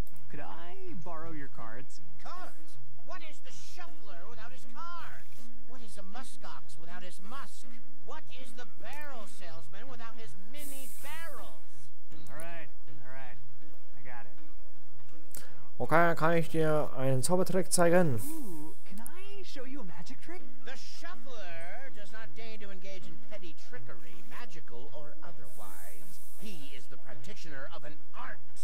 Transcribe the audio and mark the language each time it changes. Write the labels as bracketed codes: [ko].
[en] Could I borrow your cards? Cards? What is the shuffler without his cards? What is a muskox without his musk? What is the barrel salesman without his mini barrels? All right. I got it. [de] Okay, kann ich dir einen Zaubertrick zeigen? [en] Ooh, can I show you a magic trick? The shuffler does not deign to engage in petty trickery, magical or otherwise. He is the practitioner of an art.